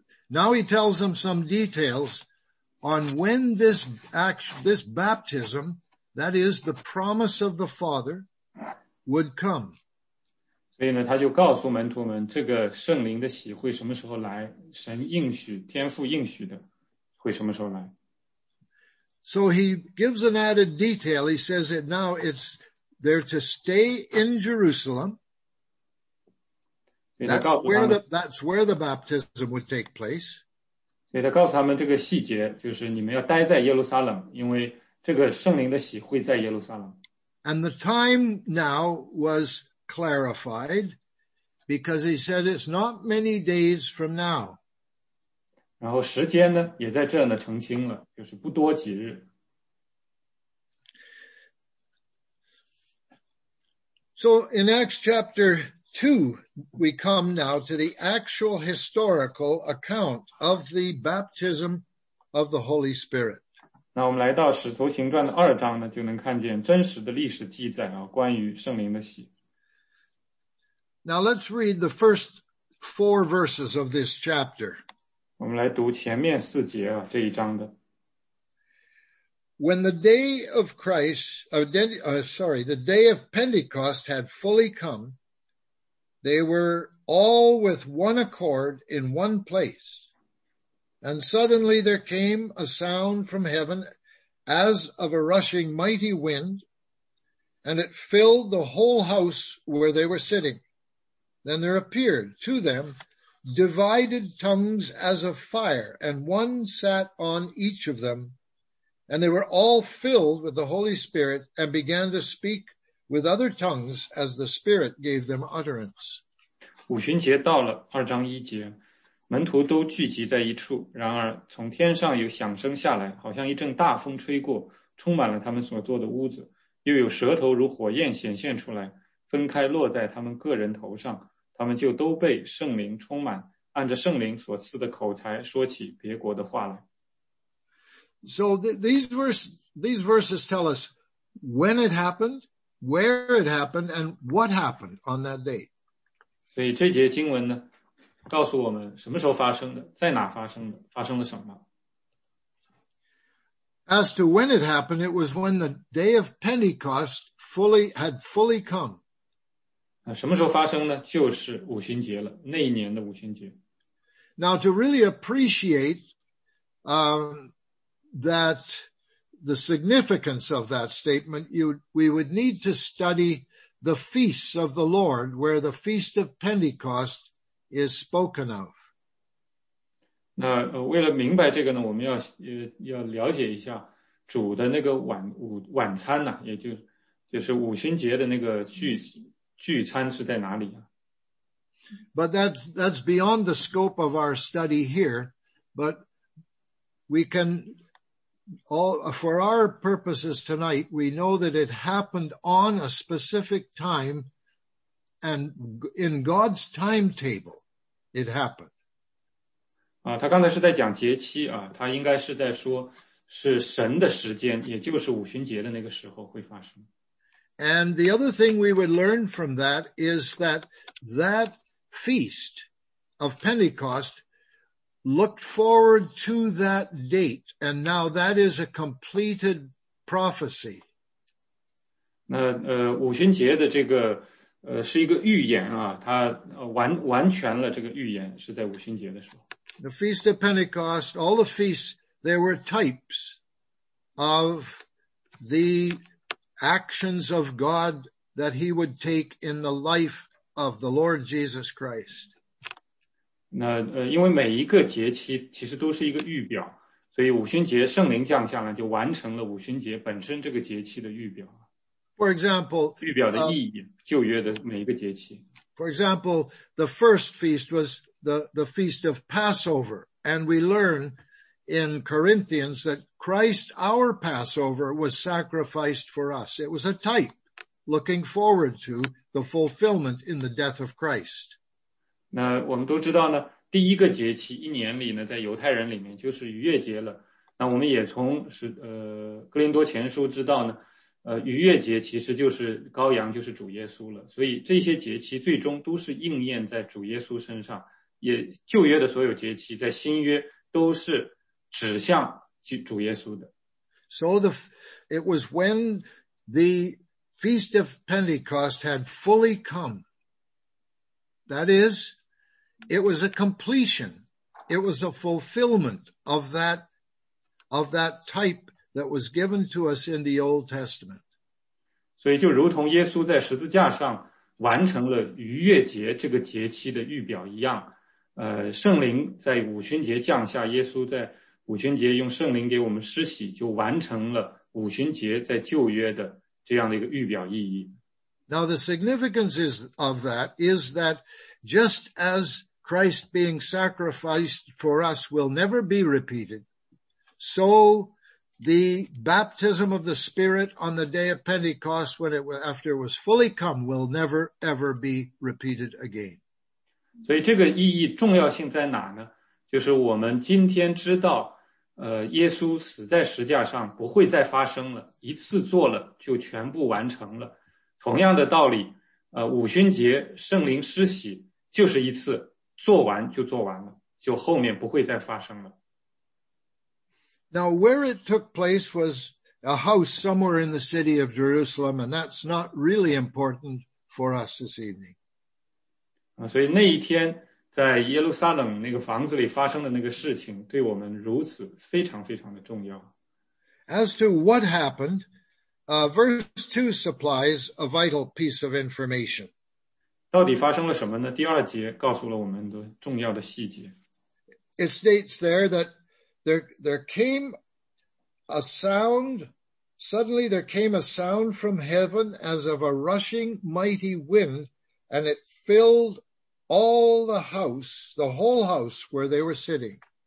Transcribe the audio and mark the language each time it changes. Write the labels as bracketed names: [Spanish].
[English] Now he tells them some details on when this baptism, that is the promise of the Father, would come. [Chinese] 所以呢，他就告诉门徒们，这个圣灵的洗会什么时候来？神应许，天父应许的，会什么时候来？ [English] So he gives an added detail. He says that now it's they're to stay in Jerusalem. That's where the baptism would take place. [Chinese] 所以他告诉他们这个细节，就是你们要待在耶路撒冷，因为这个圣灵的洗会在耶路撒冷。 [English] And the time now was clarified because he said it's not many days from now. [Chinese] 然后时间呢，也在这呢澄清了，就是不多几日。 [English] So in Acts chapter 2, we come now to the actual historical account of the baptism of the Holy Spirit. [Chinese] 那我们来到使徒行传的二章呢，就能看见真实的历史记载啊，关于圣灵的洗。 [English] Now let's read the first four verses of this chapter. [Chinese] 我们来读前面四节啊，这一章的。 [English] When the day of Christ, the day of Pentecost had fully come,They were all with one accord in one place. And suddenly there came a sound from heaven as of a rushing mighty wind, and it filled the whole house where they were sitting. Then there appeared to them divided tongues as of fire, and one sat on each of them, and they were all filled with the Holy Spirit and began to speak with other tongues as the Spirit gave them utterance. [Chinese] 五旬节到了，二章一节，门徒都聚集在一处，然而从天上有响声下来，好像一阵大风吹过，充满了他们所坐的屋子，又有舌头如火焰显现出来，分开落在他们个人头上，他们就都被圣灵充满，按着圣灵所赐的口才说起别国的话来。 [English] So these verses tell us when it happened, where it happened, and what happened on that day. [Chinese] 所以这节经文呢，告诉我们什么时候发生的，在哪发生的，发生了什么。 [English] As to when it happened, it was when the day of Pentecost had fully come. [Chinese] 什么时候发生呢？就是五旬节了，那一年的五旬节。 [English] Now to really appreciate, that the significance of that statement, we would need to study the feasts of the Lord, where the feast of Pentecost is spoken of. [Chinese] 那为了明白这个呢，我们要了解一下主的那个晚餐呢、啊，也就是五旬节的那个聚餐是在哪里啊 [English] ？But that's beyond the scope of our study here. But we can all for our purposes tonight, we know that it happened on a specific time, and in God's timetable, it happened. [Chinese] 他刚才是在讲节期啊，他应该是在说是神的时间，也就是五旬节的那个时候会发生。 [English] And the other thing we would learn from that is that feast of Pentecost looked forward to that date, and now that is a completed prophecy. [Chinese] 那五旬节的这个是一个预言啊，它完全了这个预言是在五旬节的时候。 [English] The Feast of Pentecost, all the feasts, they were types of the actions of God that he would take in the life of the Lord Jesus Christ. [Chinese] 那因为每一个节期其实都是一个预表，所以五旬节圣灵降下来就完成了五旬节本身这个节期的预表。 [English] For example, [Chinese] 预表的意义，旧约的每一个节期。 [English] For example, the first feast was the feast of Passover, and we learn in Corinthians that Christ, our Passover, was sacrificed for us. It was a type looking forward to the fulfillment in the death of Christ. [Chinese] 那我们都知道呢，第一个节期一年里呢，在犹太人里面就是逾越节了。那我们也从哥林多前书知道呢，逾越节其实就是羔羊，就是主耶稣了。所以这些节期最终都是应验在主耶稣身上。也旧约的所有节期在新约都是指向主耶稣的。 [English] So it was when the Feast of Pentecost had fully come. That is, it was a completion. It was a fulfillment of that type that was given to us in the Old Testament. [Chinese] 所以就如同耶稣在十字架上完成了逾越节这个节期的预表一样。圣灵在五旬节降下，耶稣在五旬节用圣灵给我们施洗，就完成了五旬节在旧约的这样的一个预表意义。 [English] Now the significance of that is that just as Christ being sacrificed for us will never be repeated, so the baptism of the Spirit on the day of Pentecost when it after it was fully come will never ever be repeated again. [Chinese] 所以这个意义重要性在哪呢？就是我们今天知道，耶稣死在十字架上不会再发生了，一次做了就全部完成了。同样的道理，五旬节圣灵施洗就是一次，做完就做完了，就后面不会再发生了。 [English] Now where it took place was a house somewhere in the city of Jerusalem, and that's not really important for us this evening. [Chinese] 所以那一天在耶路撒冷那个房子里发生的那个事情对我们如此非常非常的重要。 [English] As to what happened, verse 2 supplies a vital piece of information. [Chinese] 到底发生了什么呢？第二节告诉了我们的重要的细节。 [English] It states there that there came a sound, suddenly there came a sound from heaven as of a rushing mighty wind, and it filled all the house, the whole house where they were sitting.